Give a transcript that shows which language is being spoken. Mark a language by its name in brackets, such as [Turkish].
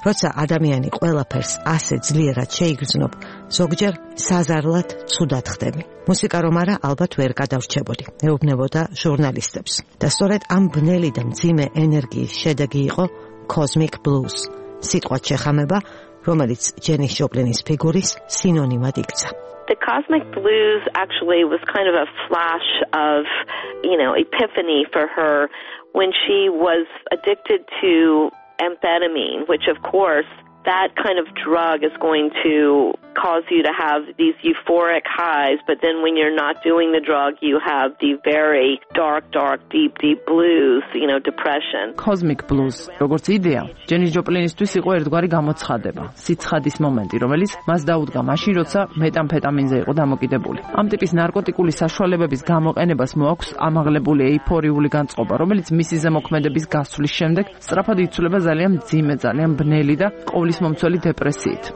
[Georgian] როცა ადამიანი ყველაფერს ასე ძლიერად შეიგრძნობ, ზოგჯერ საზარლად ცუდად ხდები. მუსიკა რომ არა, ალბათ ვერ გადავრჩებოდი, ეუბნებოდა ჟურნალისტებს. და სწორედ ამ ბნელი და მძიმე ენერგიის შედეგი იყო Cosmic Blues, სიტყვა შეხამება, რომელიც ჯენის ჯოპლინის ფიგურის სინონიმად იქცა. [English] The Cosmic Blues actually was kind of a flash of, you know, epiphany for her when she was addicted to amphetamine, which of course that kind of drug is going to cause you to have these euphoric highs, but then when you're not doing the drug you have the very dark deep blues, you know, depression. [Georgian] Cosmic blues, როგორც იდეა, ჯენის ჯოპლინისთვის იყო ერთგვარი გამოცხადება, სიცხადის მომენტი, რომელიც მას დაუდგა მაშინ, როცა მეტამფეტამინზე იყო დამოკიდებული. ამ ტიპის ნარკოტიკული საშუალებების გამოყენებას მოაქვს ამაღლებული ეიფორიული განწყობა, რომელიც მისი ზემოქმედების გასვლის შემდეგ სწრაფად იცვლება ძალიან მძიმე, ძალიან ბნელი და ყოვლისმომცველი დეპრესიით.